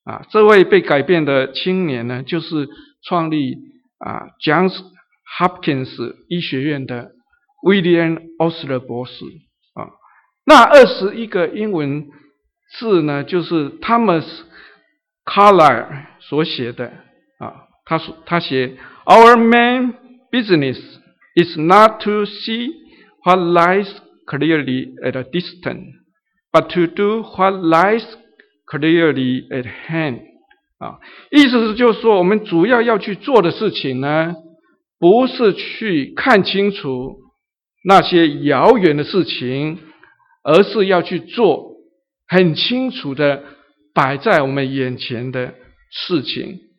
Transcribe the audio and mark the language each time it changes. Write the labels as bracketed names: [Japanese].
[Chinese] 这位被改变的青年呢，就是创立Johns Hopkins 医学院的 William Osler 博士。那21个英文字呢，就是 Thomas Carlyle 所写的。他写 [English] Our main business is not to see what lies clearly at a distance, but to do what lies clearly at hand. [Chinese] 意思是就是说，我们主要去做的事情呢，不是去看清楚那些遥远的事情，而是要去做很清楚的摆在我们眼前的事情。